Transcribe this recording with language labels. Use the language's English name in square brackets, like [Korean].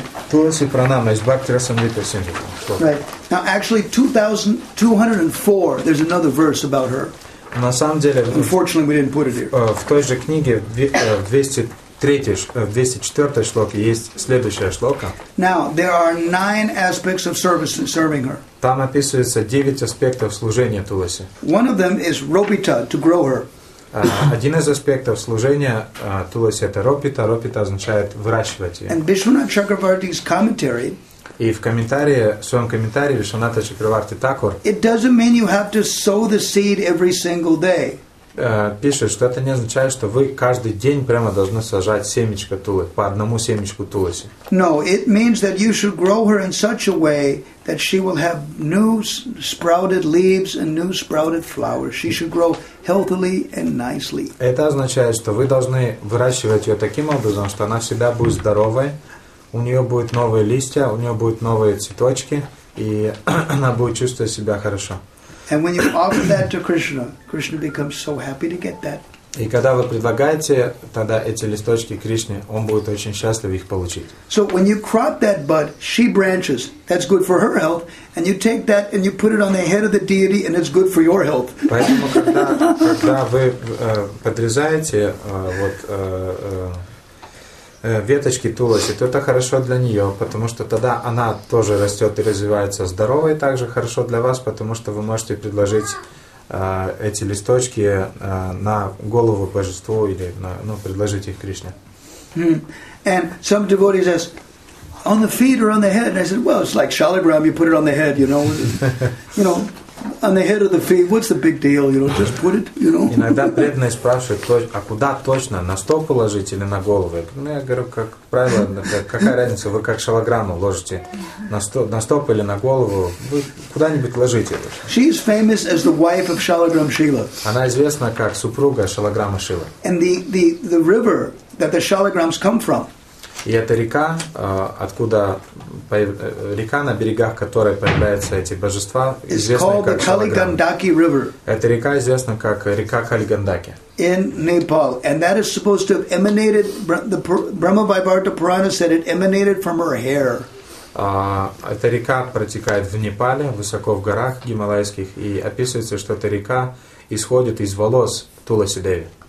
[Russian] Туласи Пранама из Бхактирасамрита Сингхи. [English] Right. Now actually 2204, there's another verse about her. [Russian] На самом деле, [English] unfortunately we didn't put it here. [Russian] В той же книге, в 204-й шлоке есть следующая шлока. [English] Now there are 9 aspects of service serving her. [Russian] Там описывается 9 аспектов служения Туласи. [English] One of them is ropita, to grow her. [Russian] Один из аспектов служения Туласи это ропита. Ропита означает выращивать ее. [English] And Vishwanatha Chakravarti's commentary. [Russian] И в комментарии, в своем комментарии Вишванатха Чакраварти Такур. [English] It doesn't mean you have to sow the seed every single day. [Russian] Пишет, что это не означает, что вы каждый день прямо должны сажать семечко Тулы, по одному семечку Туласи. [English] No, it means that you should grow her in such a way that she will have new sprouted leaves and new sprouted flowers. She should grow healthily and nicely. [Russian] Это означает, что вы должны выращивать ее таким образом, что она всегда будет здоровой, у нее будут новые листья, у нее будут новые цветочки, и она будет чувствовать себя хорошо. [English] And when you offer that to Krishna, Krishna becomes so happy to get that. [Russian] И когда вы предлагаете тогда эти листочки Кришне, он будет очень счастлив их получить. [English] So when you crop that bud, she branches. That's good for her health. And you take that and you put it on the head of the deity, and it's good for your health. [Russian] Поэтому когда вы подрезаете вот веточки Туласи, то это хорошо для нее, потому что тогда она тоже растет и развивается здоровой, также хорошо для вас, потому что вы можете предложить эти листочки на голову божеству или на, ну, предложить их Кришне. [English] And some devotees ask, on the feet or on the head? And I said, well, it's like shaligram, you put it on the head, you know. You know, on the head or the feet, what's the big deal, you know, just put it, you know. [Russian] Иногда преданные спрашивают, а куда точно, на стол положить или на голову? Ну, я говорю, как правило, какая разница, вы как шалограмму ложите, на стоп или на голову, вы куда-нибудь ложите. [English] She is famous as the wife of Shalagram Shila. [Russian] Она известна как супруга Шалаграма Шила. [English] And the river that the Shalagrams come from. [Russian] И эта река, откуда река, на берегах которой появляются эти божества, известна как Калигандаки River. Эта река известна как река Калигандаки. [English] In Nepal, and that is supposed to have emanated. The Brahma Vaivarta Purana said it emanated from her hair. [Russian] Эта река протекает в Непале, высоко в горах гималайских, и описывается, что эта река исходит из волос Туласи Деви.